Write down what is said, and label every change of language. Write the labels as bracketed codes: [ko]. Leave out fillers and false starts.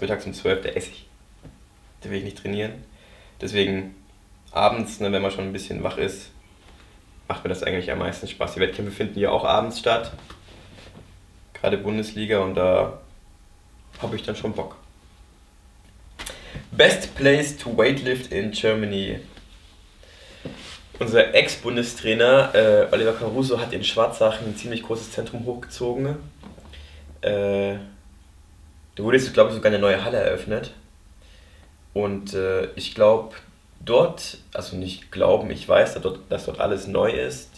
[de] Mittags um 12, da esse ich. Da will ich nicht trainieren. Deswegen abends, ne, wenn man schon ein bisschen wach ist, macht mir das eigentlich am meisten Spaß. Die Wettkämpfe finden ja auch abends statt. Gerade Bundesliga, und da habe ich dann schon Bock. [en] Best place to weightlift in Germany. [de] Unser Ex-Bundestrainer Oliver Caruso hat in Schwarzach ein ziemlich großes Zentrum hochgezogen. Da wurde jetzt, glaube ich, sogar eine neue Halle eröffnet. Und ich glaube, dort, also nicht glauben, ich weiß, dass dort alles neu ist.